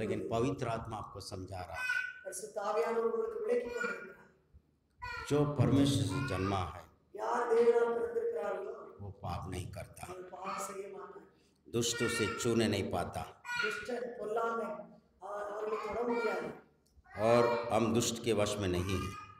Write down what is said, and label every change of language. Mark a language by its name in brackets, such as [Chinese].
[Hindi] லெகன் பவித்ர ஆத்மா आपको समझा रहा है. [Tamil] பரிசுத்த ஆவியானவர் உங்களுக்கு விளக்கி கொண்டிருக்கிறார். [Hindi] जो परमेश्वर से जन्मा है. [Tamil] யார் தேவனால் பிறந்திருக்கிறார்களோ [Hindi] वो पाप नहीं करता. [Tamil] அவர் பாவம் செய்ய மாட்டார். [Hindi] दुष्टों से छूने नहीं पाता. [Tamil] दुष्ट பொல்லாமை அவர்களை தொட முடியாது. [Hindi] और हम दुष्ट के वश में नहीं है.